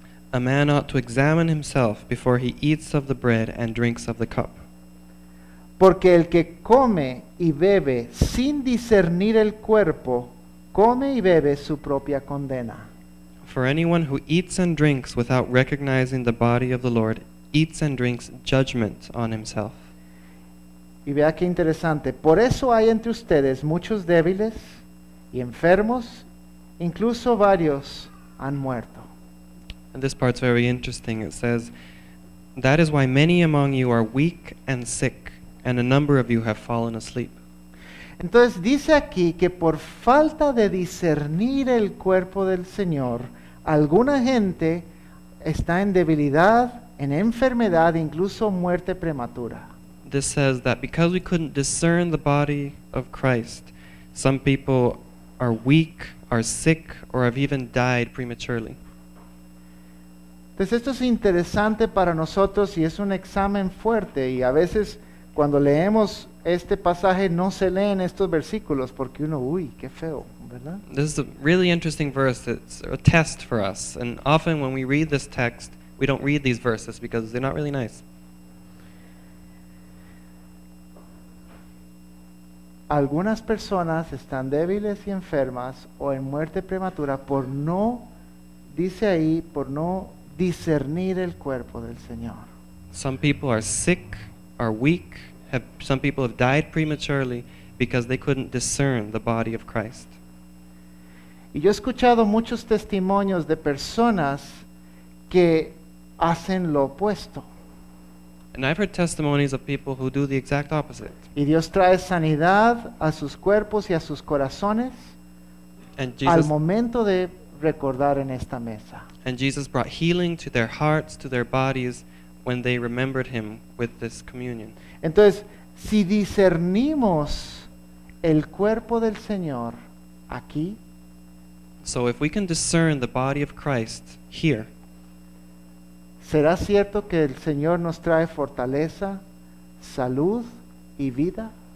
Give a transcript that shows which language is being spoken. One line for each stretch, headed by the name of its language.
English: A man ought to examine himself before he eats of the bread and drinks of the cup.
Spanish: Porque el que come y bebe sin discernir el cuerpo, come y bebe su propia condena.
English: For anyone who eats and drinks without recognizing the body of the Lord eats and drinks judgment on himself.
Spanish: Y vea qué interesante. Por eso hay entre ustedes muchos débiles y enfermos, incluso varios han muerto.
English: And this part's very interesting. It says, that is why many among you are weak and sick, and a number of you have fallen asleep.
Spanish: Entonces dice aquí que por falta de discernir el cuerpo del Señor, alguna gente está en debilidad, en enfermedad, incluso muerte prematura.
English: This says that because we couldn't discern the body of Christ, some people are weak, are sick, or have even died prematurely.
Spanish: Entonces esto es interesante para nosotros y es un examen fuerte, y a veces cuando leemos este pasaje no se leen estos versículos porque uno, uy, qué feo.
English: This is a really interesting verse. It's a test for us. And often when we read this text, we don't read these verses because they're not really nice.
Spanish: Algunas personas están débiles y enfermas o en muerte prematura por no, dice ahí, por no discernir el cuerpo del Señor.
English: Some people are sick, are weak, some people have died prematurely because they couldn't discern the body of Christ.
Spanish: Y yo he escuchado muchos testimonios de personas que hacen lo opuesto.
English: And I've heard testimonies of people who do the exact opposite.
Spanish: Y Dios trae sanidad a sus cuerpos y a sus corazones al momento de recordar en esta mesa.
English: And Jesus brought healing to their hearts, to their bodies, when they remembered him with this communion.
Spanish: Entonces, si discernimos el cuerpo del Señor aquí,
English: so if we can discern the body of Christ here,
Spanish: ¿será cierto que el Señor nos trae fortaleza, salud y vida?